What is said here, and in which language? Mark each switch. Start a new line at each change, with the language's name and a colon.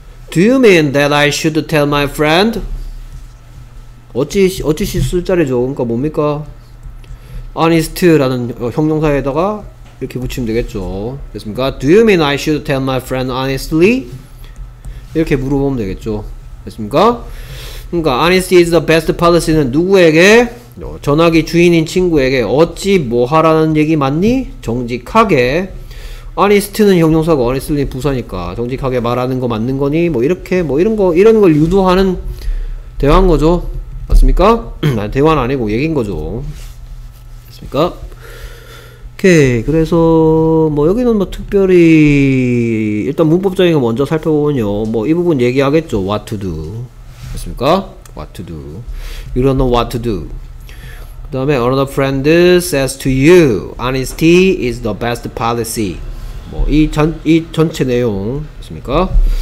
English: Do you mean that I should tell my friend?
Korean: 어찌 쓸자리죠. 그러니까 뭡니까? honest라는 형용사에다가 이렇게 붙이면 되겠죠. 됐습니까?
English: Do you mean I should tell my friend honestly?
Korean: 이렇게 물어보면 되겠죠. 됐습니까? 그러니까
English: honesty is the best policy
Korean: 는 누구에게 전화기 주인인 친구에게 어찌 뭐하라는 얘기 맞니? 정직하게 honest는 형용사고 honestly 부사니까 정직하게 말하는 거 맞는 거니? 뭐 이렇게 뭐 이런 걸 유도하는 대화인 거죠. 맞습니까? 대화는 아니고 얘기인 거죠. 맞습니까? 오케이. 그래서 뭐 여기는 뭐 특별히 일단 문법적인 거 먼저 살펴보면요 뭐 이 부분 얘기하겠죠.
English: What to do.
Korean: 맞습니까?
English: What to do. You don't know what to do. 그 다음에 another friend says to you, honesty is the best policy.
Korean: 뭐 이 전체 내용 맞습니까?